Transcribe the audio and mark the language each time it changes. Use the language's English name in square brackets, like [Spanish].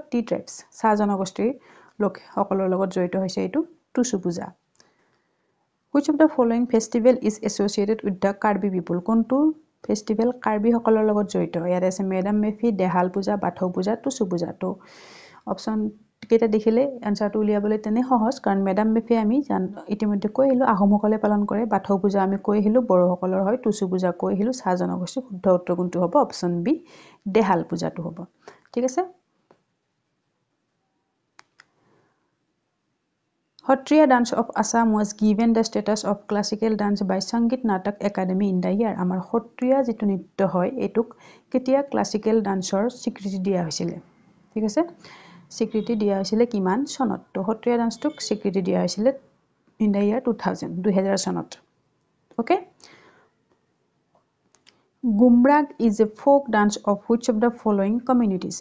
[Assamese] T tribes, চাহ জনগোষ্ঠীৰ লোকসকলৰ লগত জড়িত হৈছে এইটো টুচু পূজা। [English] Which of the following festival is associated with the Karbi people? [Assamese] কোনটো ফেষ্টিভেল কাৰ্বিসকলৰ লগত জড়িত? ইয়াত আছে মেডাম মেফি, দেহাল পূজা, বাথৌ পূজা, টুচু পূজা। তো অপশ্যন কেইটা দেখিলে এনচাৰটো উলিয়াবলৈ তেনে সহজ, কাৰণ মেডাম মেফি আমি ইতিমধ্যে কৈ আহিলোঁ আহোমসকলে পালন কৰে, বাথৌ পূজা আমি কৈ আহিলোঁ বড়োসকলৰ হয়, টুচু পূজা কৈ আহিলোঁ চাহ জনগোষ্ঠীৰ। শুদ্ধ উত্তৰ কোনটো হ'ব? অপশ্যন বি, দেহাল পূজাটো হ'ব, ঠিক আছে? [English] Sattriya dance of Assam was given the status of classical dance by Sangeet Natak Akademi in the year? [Assamese] আমাৰ সত্ৰীয়া যিটো নৃত্য হয় এইটোক কেতিয়া ক্লাছিকেল ডান্সৰ স্বীকৃতি দিয়া হৈছিলে, ঠিক আছে? স্বীকৃতি দিয়া হৈছিলে কিমান চনত? তো সত্ৰীয়া ডান্সটোক স্বীকৃতি দিয়া হৈছিলে [English] in the year [Assamese] 2000 চনত। [English] Okay, Gumrag is a folk dance of which of the following communities?